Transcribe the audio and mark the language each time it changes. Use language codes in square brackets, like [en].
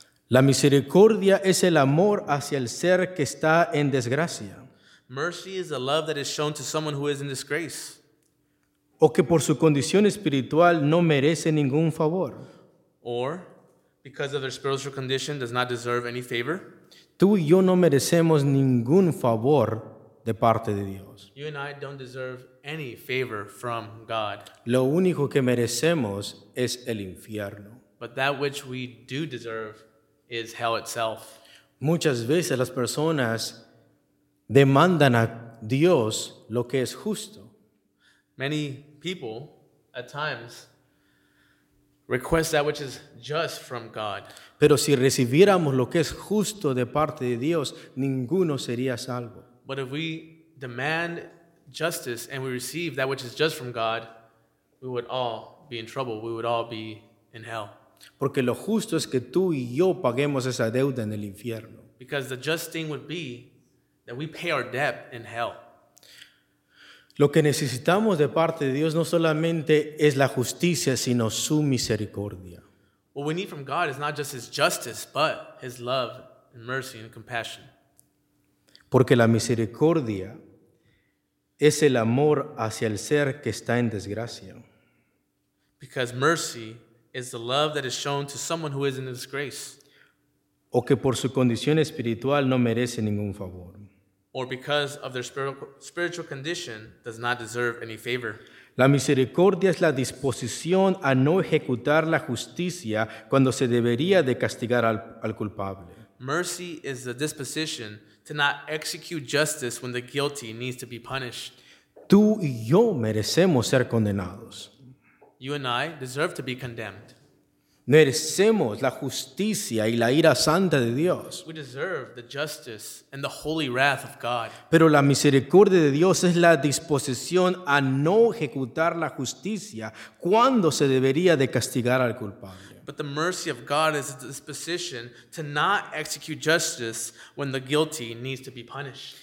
[es] La misericordia es el amor hacia el ser que está en desgracia. [en] Mercy is the love that is shown to someone who is in disgrace. [es] O que por su condición espiritual no merece ningún favor. [en] Or because of their spiritual condition does not deserve any favor. [es] Tú y yo no merecemos ningún favor de parte de Dios. [en] You and I don't deserve any favor from God. [es] Lo único que merecemos es el infierno. [en] But that which we do deserve is hell itself. [es] Muchas veces las personas demandan a Dios lo que es justo. [en] Many people at times request that which is just from God. [es] Pero si recibiéramos lo que es justo de parte de Dios, ninguno sería salvo. [en] But if we demand justice and we receive that which is just from God, we would all be in trouble. We would all be in hell. [es] Porque lo justo es que tú y yo paguemos esa deuda en el infierno. [en] Because the just thing would be that we pay our debt in hell. [es] Lo que necesitamos de parte de Dios no solamente es la justicia, sino su misericordia. [en] What we need from God is not just his justice, but his love and mercy and compassion. [es] Porque la misericordia es el amor hacia el ser que está en desgracia. [en] Because mercy is the love that is shown to someone who is in disgrace. [es] O que por su condición espiritual no merece ningún favor. [en] Or because of their spiritual condition does not deserve any favor. [es] La misericordia es la disposición a no ejecutar la justicia cuando se debería de castigar al culpable. [en] Mercy is the disposition to not execute justice when the guilty needs to be punished. [es] Tú y yo merecemos ser condenados. [en] You and I deserve to be condemned. [es] Merecemos la justicia y la ira santa de Dios. [en] We deserve the justice and the holy wrath of God. [es] Pero la misericordia de Dios es la disposición a no ejecutar la justicia cuando se debería de castigar al culpable. [en] But the mercy of God is the disposition to not execute justice when the guilty needs to be punished.